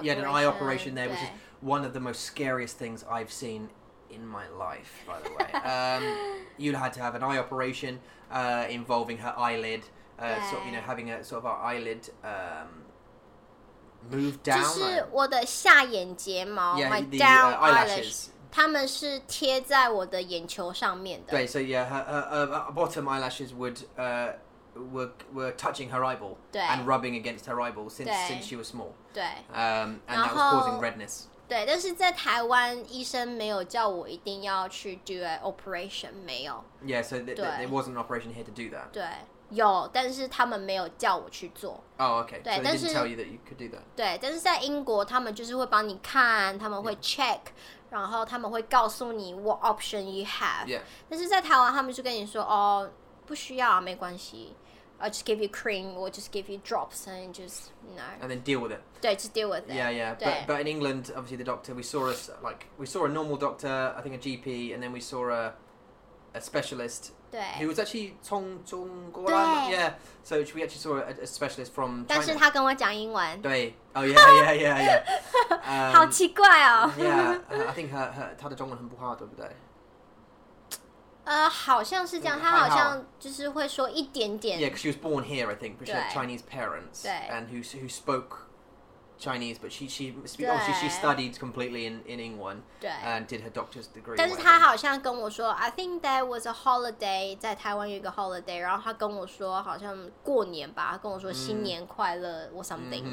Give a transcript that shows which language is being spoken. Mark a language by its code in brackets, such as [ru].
[en] You had an eye operation there, which is one of the most scariest things I've seen. In my life, by the way, you had to have an eye operation involving her eyelid, sort of, you know, having a sort of our eyelid move down. [zh] 就是我的下眼睫毛 [en] yeah, my the, down eyelashes. [zh] 它们是贴在我的眼球上面的。 [en] 对 ，so yeah, her bottom eyelashes would were touching her eyeball and rubbing against her eyeball since she was small. [zh] 对 [en] and that was causing redness. [zh] 对，但是在台湾，医生没有叫我一定要去 [en] do an operation， [zh] 没有。 [en] Yeah, so there wasn't an operation here to do that. [zh] 对，有，但是他们没有叫我去做。 [en] Oh, okay. [zh] 对，但是 [en] didn't tell you that you could do that. [zh] 对，但是在英国，他们就是会帮你看，他们会 check， 然后他们会告诉你 [en] what option you have. Yeah. [zh] 但是在台湾，他们就跟你说，哦，不需要，没关系。 [en] I'll just give you cream or just give you drops and just, you know. And then deal with it. 对, just deal with it. Yeah, yeah. But in England, obviously the doctor, we saw a normal doctor, I think a GP, and then we saw a specialist who was actually [zh] 从中国来的 [en] yeah. So we actually saw a specialist from China. [zh] 但是他跟我讲英文。 [en] 对。Oh yeah, yeah, yeah, yeah. [zh] 好奇怪哦。 [en] Yeah, I think her [zh] 她的中文很不好, 对不对？好像是这样, 她好像就是会说一点点。 [en] Yeah, because she was born here, I think, but she had Chinese parents. [zh] 对。 [en] And who spoke Chinese, but she studied completely in England and did her doctor's degree. [zh] 但是他好像跟我说, [en] I think there was a holiday, [zh] 在台湾有一个holiday, 然后他跟我说好像过年吧, 他跟我说新年快乐 [en] or something.